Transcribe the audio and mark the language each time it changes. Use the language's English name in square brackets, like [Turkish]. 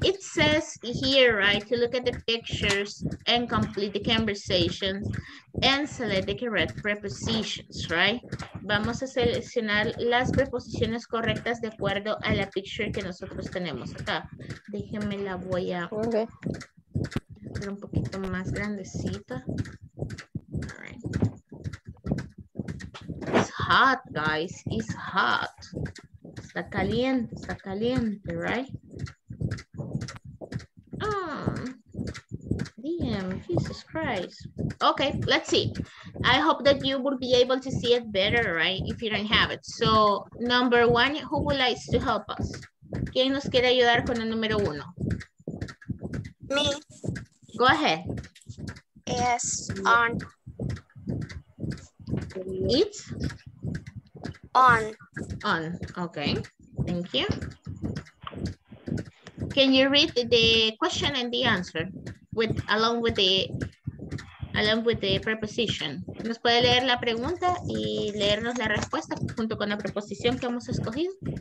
[English] It says here, right, to look at the pictures and complete the conversations and select the correct prepositions, right? [Spanish] Vamos a seleccionar las preposiciones correctas de acuerdo a la picture que nosotros tenemos acá. Déjenme la voy a... [English] Okay. [Spanish] Pero un poquito más grandecita. [English] All right. It's hot, guys. It's hot. [Spanish] Está caliente. Está caliente, [English] right? Oh, damn. Jesus Christ. Okay, let's see. I hope that you will be able to see it better, right? If you don't have it. So, number one, who would like to help us? [Spanish] ¿Quién nos quiere ayudar con el número uno? [English] Me. Go ahead. Yes, on. It's? On. On, okay. Thank you. Can you read the question and the answer with along with the along with the preposition. [Spanish] ¿Nos puede leer la pregunta y leernos la respuesta junto con la preposición que hemos escogido?